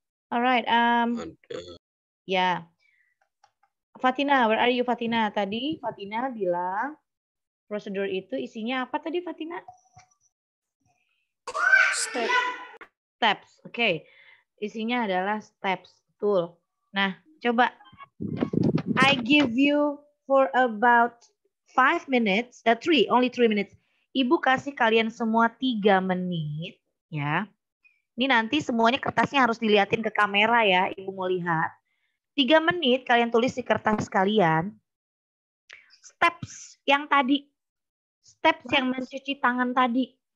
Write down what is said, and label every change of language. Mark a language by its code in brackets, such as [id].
[en] Alright, ya yeah. Fatina, where are you Fatina? [id] Tadi Fatina bilang prosedur itu isinya apa tadi Fatina? [en] Steps. [id] Okay, isinya adalah steps. Betul. Nah, coba [en] I give you for about 5 minutes, only three minutes. [id] Ibu kasih kalian semua 3 menit, ya. Ini nanti semuanya kertasnya harus dilihatin ke kamera ya, Ibu mau lihat. 3 menit kalian tulis di kertas kalian. Steps yang tadi. Steps yang mencuci tangan tadi.